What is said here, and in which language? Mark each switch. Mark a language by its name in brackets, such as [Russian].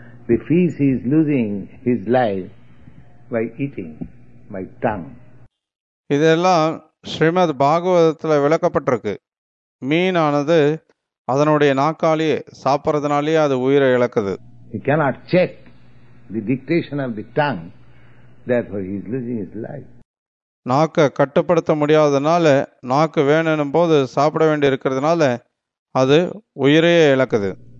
[English] The fish is losing his life by eating my tongue. [Tamil] இதெல்லாம் ஸ்ரீமத் பாகவதத்தில் விளக்கப்பட்டிருக்கு. மீனானது அதனுடைய நாக்காலேயே சாப்பிட்றதுனாலேயே அது உயிரை இழக்குது. [English] He cannot check the dictation of the tongue, therefore he is losing his life. [Tamil] நாக்கை கட்டுப்படுத்த முடியாததுனால, நாக்கு வேணும் போது சாப்பிட வேண்டி இருக்கிறதுனால அது உயிரையே இழக்குது.